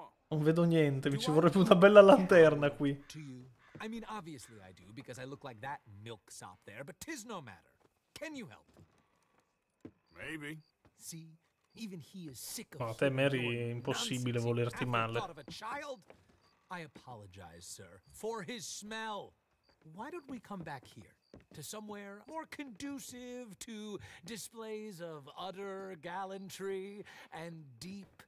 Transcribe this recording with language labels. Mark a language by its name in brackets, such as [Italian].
[Italian] Non vedo niente, mi ci vorrebbe una bella lanterna qui. [English] I mean, obviously I do, because I look like that milksop there, but tis no matter. Can you help? Maybe. See, even he is sick of... [Italian] No, te, Mary, è impossibile volerti male. [English] I apologize, sir, for his smell. Why don't we come back here? To somewhere more conducive to displays of utter gallantry and deep...